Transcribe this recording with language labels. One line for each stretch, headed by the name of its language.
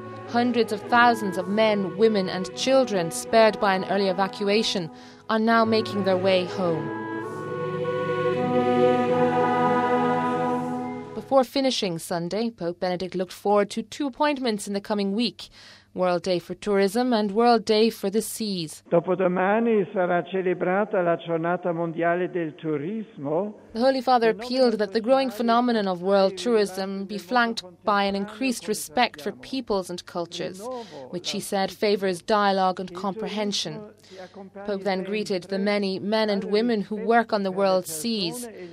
English: Hundreds of thousands of men, women and children spared by an early evacuation are now making their way home. Before finishing Sunday, Pope Benedict looked forward to two appointments in the coming week, World Day for Tourism and World Day for the Seas.
Italian: Dopodomani sarà celebrata la giornata mondiale del turismo.
English: The Holy Father appealed that the growing phenomenon of world tourism be flanked by an increased respect for peoples and cultures, which he said favors dialogue and comprehension. Pope then greeted the many men and women who work on the world's seas.